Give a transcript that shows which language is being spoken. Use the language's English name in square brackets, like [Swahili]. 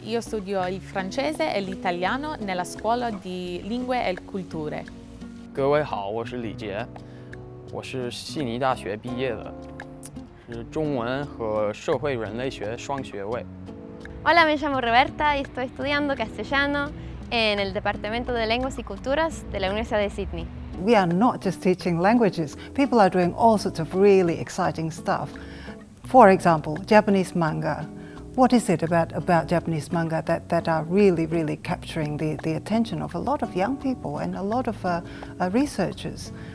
[Italian] Io studio il francese e l'italiano nella scuola di lingue e culture. [Chinese] 各位好，我是李杰，我是悉尼大学毕业的，是中文和社会人类学双学位。 [Spanish] Hola, me llamo Roberta y estoy estudiando castellano en el departamento de lenguas y culturas de la Universidad de Sydney. [English] We are not just teaching languages. People are doing all sorts of really exciting stuff. For example, Japanese manga. What is it about Japanese manga that are really, really capturing the attention of a lot of young people and a lot of researchers?